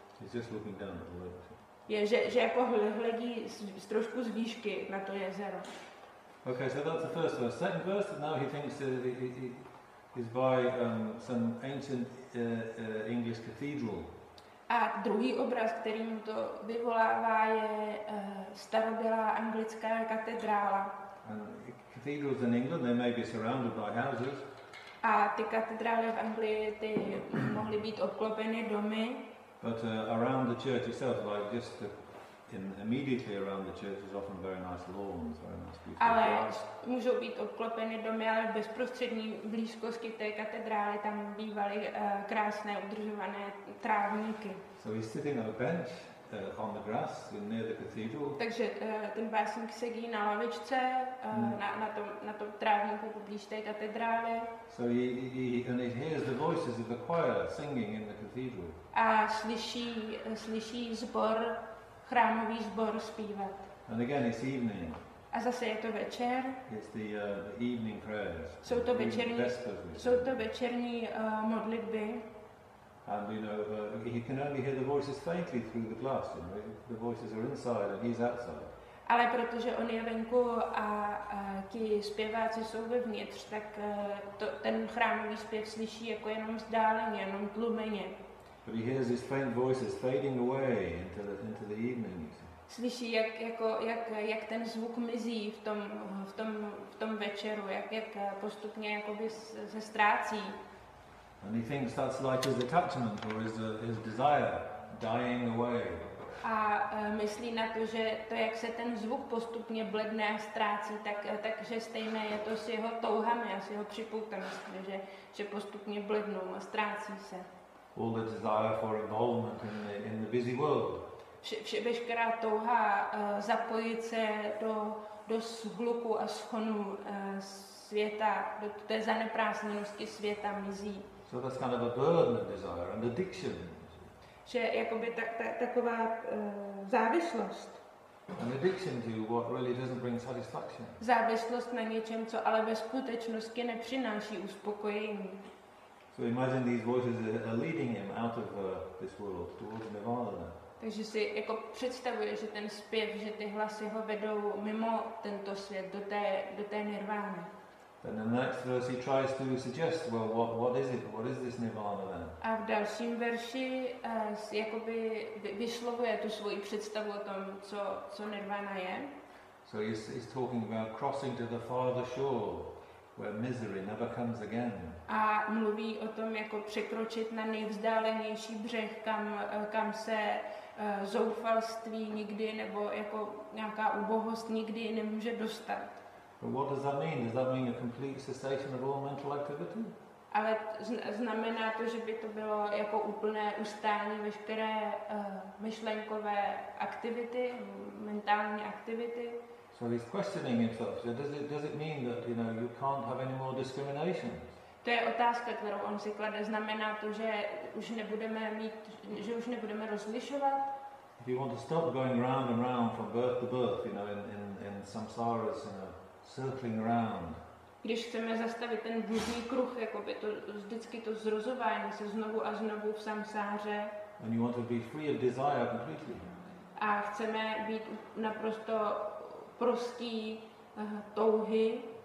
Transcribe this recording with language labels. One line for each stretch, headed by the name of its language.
English: He's just looking down at the lake.
Czech: Je, že jako hledí z trošku z výšky na to jezero.
English: Okay, so that's the first verse. Second verse, now he thinks that he is by some ancient English cathedral.
Czech: A druhý obraz, který mu to vyvolává, je starobylá anglická katedrála.
English: And cathedrals in England, they may be surrounded by houses.
Czech: A ty katedrály v Anglii, ty mohly být obklopeny domy.
English: But around the church itself, like just immediately around the church, is often very nice lawns, very nice beautiful.
Czech: Ale můžou být obklopeny domy, ale v bezprostřední blízkosti té katedrály tam bývaly krásné udržované trávníky.
English: So he's sitting on a bench on the grass near the cathedral.
Czech: Takže ten básník sedí na lavičce na tom trávníku poblíž té katedrály.
English: So he hears the voices of the choir singing in the cathedral.
Czech: A slyší zbor, chrámový zbor zpívat.
English: And again it's evening.
Czech: A zase je to večer.
English: It's the evening prayers.
Czech: Jsou to večerní modlitby.
English: And you know, he can only hear the voices faintly through the glass, you know, the voices are inside and he's outside.
Czech: Ale protože on je venku a ti zpěváci jsou vevnitř, tak ten chrámový zpěv slyší jako jenom vzdáleně, jenom tlumeně.
English: But he hears his faint voices fading away into the evening.
Czech: Slyší jak ten zvuk mizí v tom večeru, jak postupně jakoby se ztrácí.
English: And he thinks that's like his attachment or his desire dying away.
Czech: A myslí na to, že to jak se ten zvuk postupně bledne a ztrácí, takže stejné je to s jeho touhami a s jeho připoutaností, že postupně blednou a ztrácí se.
English: All the desire for involvement in the busy world.
Czech: Veškerá touha zapojit se do shluku a shonu světa, do té zaneprázdněnosti světa mizí.
English: So that's kind of a burden of desire and addiction.
Czech: Že jakoby taková závislost.
English: An addiction to what really doesn't bring satisfaction.
Czech: Závislost na něčem, co ale ve skutečnosti nepřináší uspokojení.
English: So imagine these voices are leading him out of this world towards nirvana.
Czech: Takže si jako představuje, že ten zpěv, že ty hlasy ho vedou mimo tento svět do té nirvány.
English: Then in the next verse he tries to suggest, well, what is it? What is this nirvana then?
Czech: A v dalším verši jakoby vyslovuje tu svoji představu o tom, co nirvana je.
English: So he's talking about crossing to the farther shore, where misery never comes again.
Czech: A mluví o tom, jako překročit na nejvzdálenější břeh, kam se zoufalství nikdy nebo jako nějaká ubohost nikdy nemůže dostat.
English: But what does that mean? Does that mean a complete cessation of all mental activity?
Czech: Ale znamená to, že by to bylo jako úplné ustání veškeré myšlenkové aktivity, mentální aktivity?
English: So he's questioning himself. So does it mean that, you know, you can't have any more discrimination?
Czech: To je otázka, kterou on si klade. Znamená to, že už nebudeme mít, že už nebudeme rozlišovat?
English: If you want to stop going round and round from birth to birth, you know, in samsaras, you know, circling around.
Czech: Když chceme zastavit ten bludný kruh, jakoby to vždycky to zrozování se znovu a znovu v samsáře.
English: And you want to be free of desire completely.
Czech: A chceme být naprosto prostý touhy.